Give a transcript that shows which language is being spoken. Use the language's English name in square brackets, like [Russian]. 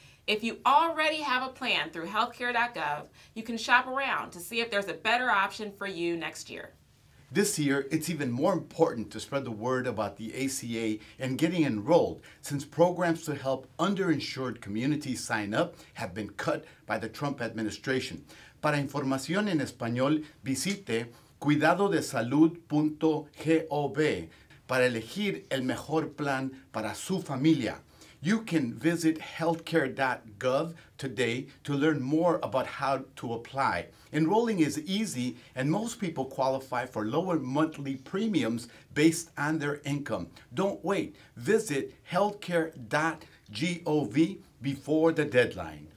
[English] If you already have a plan through healthcare.gov, you can shop around to see if there's a better option for you next year. This year, it's even more important to spread the word about the ACA and getting enrolled, since programs to help underinsured communities sign up have been cut by the Trump administration. [Spanish] Para información en español, visite cuidadodesalud.gov para elegir el mejor plan para su familia. [English] You can visit healthcare.gov today to learn more about how to apply. Enrolling is easy, and most people qualify for lower monthly premiums based on their income. Don't wait. Visit healthcare.gov before the deadline.